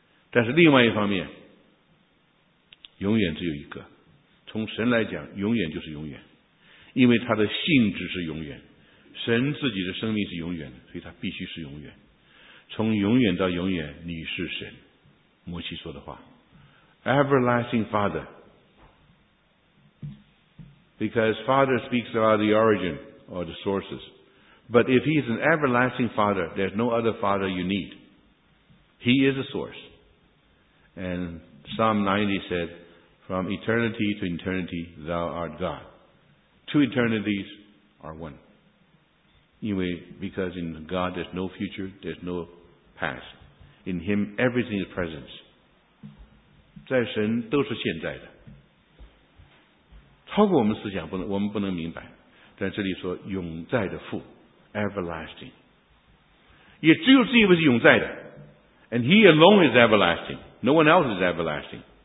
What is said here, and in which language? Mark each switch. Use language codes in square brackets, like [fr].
[zh] 但是另外一方面，永远只有一个，从神来讲永远就是永远，因为他的性质是永远，神自己的生命是永远的，所以他必须是永远。从永远到永远，你是神，摩西说的话。 [en] Everlasting Father. Because Father speaks about the origin or the sources. But if He is an everlasting Father, there's no other Father you need. He is a source. And Psalm 90 said, From eternity to eternity, Thou art God. Two eternities are one. Anyway, because in God there's no future, there's no past. In Him, everything is present. [zh] 在神都是现在的，超过我们思想，我们不能明白。但这里说永在的父 ，everlasting， 也只有这一位是永在的 ， [en] and He alone is everlasting， [zh] no one else is everlasting。